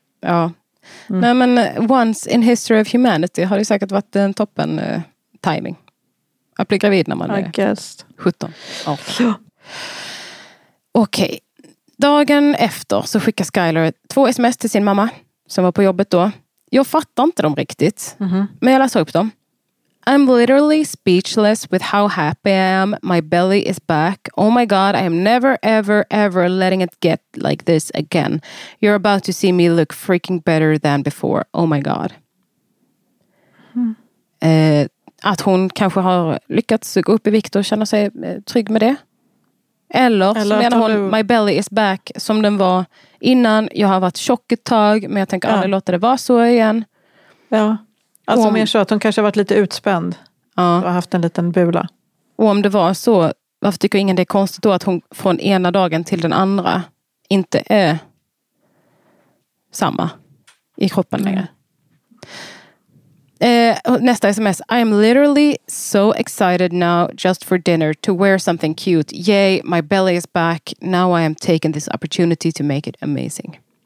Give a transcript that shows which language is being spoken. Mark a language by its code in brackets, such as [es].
[sv] Ja. Mm. Nej, men [en] once in history of humanity [sv] har det säkert varit en toppen timing. Att bli gravid när man är 17. Ja. Okej. Dagen efter så skickar Skyler 2 sms till sin mamma som var på jobbet då. Jag fattar inte dem riktigt. Mm-hmm. Men jag läser upp dem. [en] I'm literally speechless with how happy I am. My belly is back. Oh my god, I am never, ever, ever letting it get like this again. You're about to see me look freaking better than before. Oh my god. Mm. [sv] Att hon kanske har lyckats gå upp i vikt och känna sig trygg med det. Eller så menar hon, [en] my belly is back, [sv] som den var innan. Jag har varit tjock ett tag, men jag tänker aldrig låta det vara så igen. Ja. Alltså mer så att hon kanske har varit lite utspänd. Ja. Och har haft en liten bula. Och om det var så, varför tycker ingen det är konstigt då att hon från ena dagen till den andra inte är samma i kroppen längre? Nästa sms. [en] I'm literally so excited now just for dinner to wear something cute. Yay, my belly is back. Now I am taking this opportunity to make it amazing.